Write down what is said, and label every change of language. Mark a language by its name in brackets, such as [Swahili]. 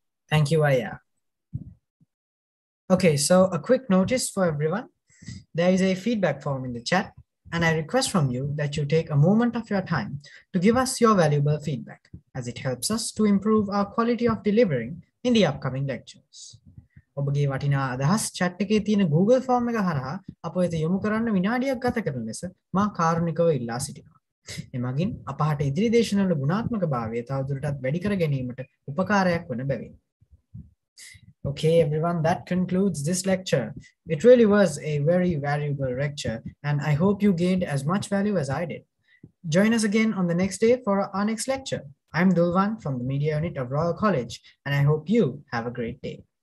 [English] Thank you, Aya. Okay, so a quick notice for everyone. There is a feedback form in the chat, and I request from you that you take a moment of your time to give us your valuable feedback, as it helps us to improve our quality of delivering in the upcoming lectures. [Sinhala] ඔබගේ වටිනා අදහස් chat එකේ තියෙන Google form එක හරහා අප වෙත යොමු කරන්න විනාඩියක් ගත කරන ලෙස මා කාරුණිකව ඉල්ලා සිටිනවා. එමගින් අපහට ඉදිරි දේශනවල ගුණාත්මකභාවය තවදුරටත් වැඩි කර ගැනීමට උපකාරයක් වන බැවින්. [English] Okay, everyone, that concludes this lecture. It really was a very valuable lecture, and I hope you gained as much value as I did. Join us again on the next day for our next lecture. I'm Dulwan from the Media Unit of Royal College, and I hope you have a great day.